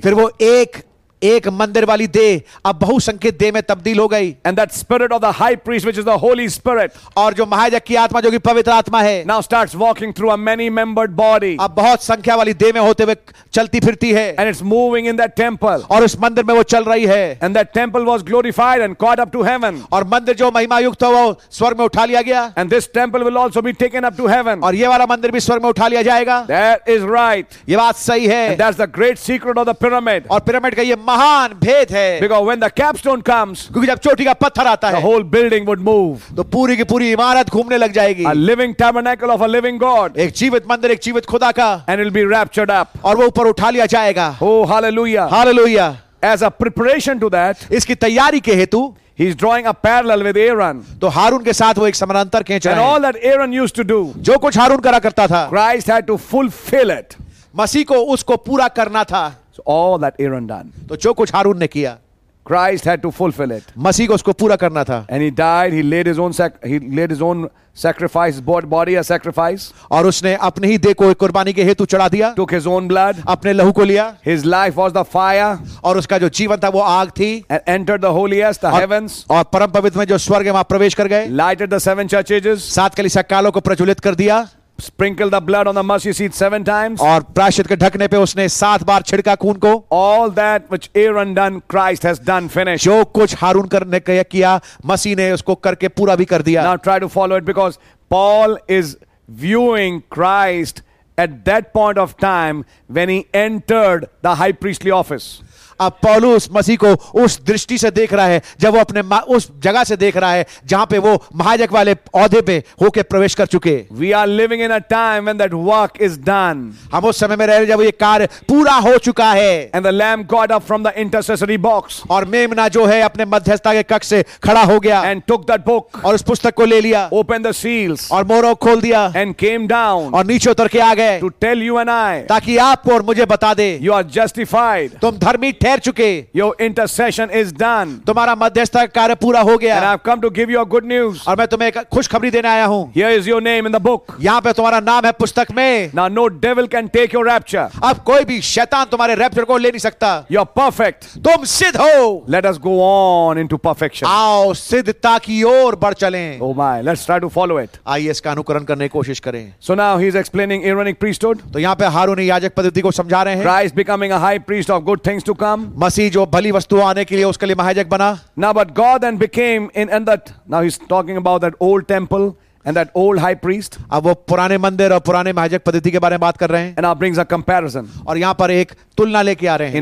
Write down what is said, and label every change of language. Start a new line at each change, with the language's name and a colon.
Hindi: फिर वो एक मंदिर वाली देह अब बहुसंख्यक देह में तब्दील हो गई.
English: And that spirit of the high priest, which is the Holy Spirit,
Hindi: और जो महायाजक की आत्मा जो कि पवित्र आत्मा है,
English: now starts walking through a many-membered body.
Hindi: अब बहुत संख्या वाली देह में होते हुए चलती फिरती है.
English: And it's moving in that temple.
Hindi: और उस मंदिर में वो चल रही है.
English: And that temple was glorified and caught up to heaven.
Hindi: और मंदिर जो महिमायुक्त था वो स्वर्ग में उठा लिया गया.
English: And this temple will also be taken up to heaven.
Hindi: और ये वाला मंदिर भी स्वर्ग में उठा लिया जाएगा.
English: That is right.
Hindi: ये बात सही है.
English: And that's the great secret of the pyramid.
Hindi: और पिरामिड का ये महान भेद है.
English: Because when the capstone comes,
Hindi: क्योंकि जब चोटी का पत्थर आता है,
English: the whole building would move.
Hindi: तो पूरी की पूरी इमारत घूमने लग जाएगी.
English: A living tabernacle of a living God.
Hindi: एक जीवित मंदिर, एक जीवित खुदा का.
English: And it'll be raptured up.
Hindi: और वो ऊपर उठा लिया जाएगा.
English: Oh, hallelujah! Hallelujah! As a preparation to that,
Hindi: इसकी तैयारी के हेतु.
English: He's drawing a parallel with Aaron.
Hindi: तो हारून के साथ वो एक समानांतर खींच रहा
English: है. And all that Aaron used to do,
Hindi: जो कुछ हारून करा करता था,
English: Christ had to fulfill it.
Hindi: मसीह को उसको पूरा करना था.
English: So all that Aaron done,
Hindi: तो जो कुछ हारून ने किया,
English: Christ had to fulfill it.
Hindi: मसीह को उसको पूरा करना था.
English: And he died. He laid his own sacrifice, body a sacrifice.
Hindi: और उसने अपने ही देह को कुर्बानी के हेतु चढ़ा दिया.
English: Took his own blood.
Hindi: अपने लहू को लिया.
English: His life was the fire.
Hindi: और उसका जो जीवन था वो आग थी.
English: And entered the holiest, the heavens.
Hindi: और परम पवित्र में जो स्वर्ग है वहाँ प्रवेश कर गए.
English: Lighted the seven churches.
Hindi: सात कलीसिया कालों को प्रज्वलित कर दिया.
English: Sprinkle the blood on the mercy seat 7 times.
Hindi: और प्रायश्चित के ढकने पे उसने 7 बार छिड़का खून को.
English: All that which Aaron done, Christ has done, finished.
Hindi: जो कुछ हारून करने का किया, मसीह ने उसको करके पूरा भी कर दिया.
English: Now try to follow it because Paul is viewing Christ at that point of time when he entered the high priestly office.
Hindi: अब पौलुस मसीह को उस दृष्टि से देख रहा है जब वो अपने उस जगह से देख रहा है जहां पे वो महायज्ञ वाले औधे पे होके प्रवेश कर चुके.
English: We are living in a time when that work is done.
Hindi: हम उस समय में रह रहे जब ये कार्य पूरा हो चुका है.
English: And the lamb got up from the intercessory box.
Hindi: और मेमना जो है अपने मध्यस्थता के कक्ष से खड़ा हो गया.
English: And took that book.
Hindi: और उस पुस्तक को ले लिया.
English: Opened the seals.
Hindi: और मोहरों खोल दिया.
English: And came down.
Hindi: और नीचे उतर के आ गए.
English: To tell you and I.
Hindi: ताकि आपको और मुझे बता दे.
English: You are justified.
Hindi: तुम धर्मी ठहर चुके.
English: Your intercession is done.
Hindi: तुम्हारा मध्यस्थता कार्य पूरा हो गया.
English: And I've come to give you a good news.
Hindi: और मैं तुम्हें एक खुशखबरी देने आया हूँ.
English: Here is your name in the book.
Hindi: यहाँ पे तुम्हारा नाम है पुस्तक में.
English: Now no devil can take your rapture.
Hindi: अब कोई भी शैतान तुम्हारे रैप्चर को ले नहीं सकता.
English: You're perfect.
Hindi: तुम सिद्ध हो.
English: Let us go on into perfection.
Hindi: आओ सिद्धता की ओर बढ़ चलें.
English: Oh my, let's try to follow it.
Hindi: आइए इसका अनुकरण करने की कोशिश करें.
English: So now he's explaining Aaronic priesthood.
Hindi: तो यहाँ पे हारूनी याजक पद्धति को समझा रहे हैं.
English: Christ becoming a high priest of good things to come.
Hindi: मसीह जो भली वस्तु आने के लिए उसके लिए महायज्ञ बना.
English: Now but God then became in that. Now he's talking about that old temple and that old high priest.
Hindi: अब वो पुराने मंदिर और पुराने महायज्ञ पद्धति के बारे में बात कर रहे हैं.
English: And now brings a comparison.
Hindi: और यहाँ पर एक तुलना लेके आ रहे हैं.